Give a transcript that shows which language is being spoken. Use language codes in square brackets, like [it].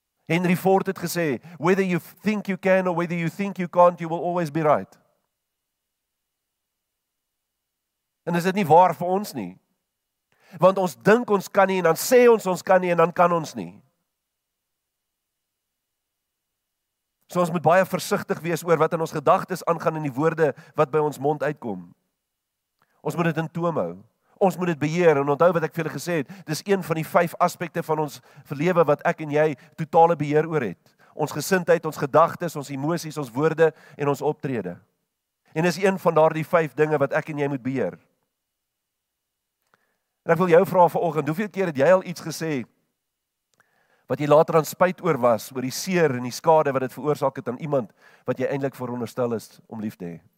[en] Henry Ford [af] het gesê, [en] whether you think you can or whether you think you can't, you will always be right. [af] En is dit nie waar vir ons nie? Want ons dink ons kan nie, en dan sê ons kan nie, en dan kan ons nie. So ons moet baie versigtig wees oor wat in ons gedagtes aangaan en die woorde wat by ons mond uitkom. Ons moet dit in toom hou. Ons moet dit beheer, en onthou wat ek vir julle gesê het, dis een van die vyf aspekte van ons lewe wat ek en jy totale beheer oor het. Ons gesindheid, ons gedagtes, ons emosies, ons woorde en ons optrede. En is een van daardie vyf dinge wat ek en jy moet beheer. En ek wil jou vra vanoggend, hoeveel keer het jy al iets gesê, wat jy later aan spyt oor was, oor die seer en die skade wat dit veroorsaak het aan iemand, wat jy eintlik veronderstel is om lief te hê?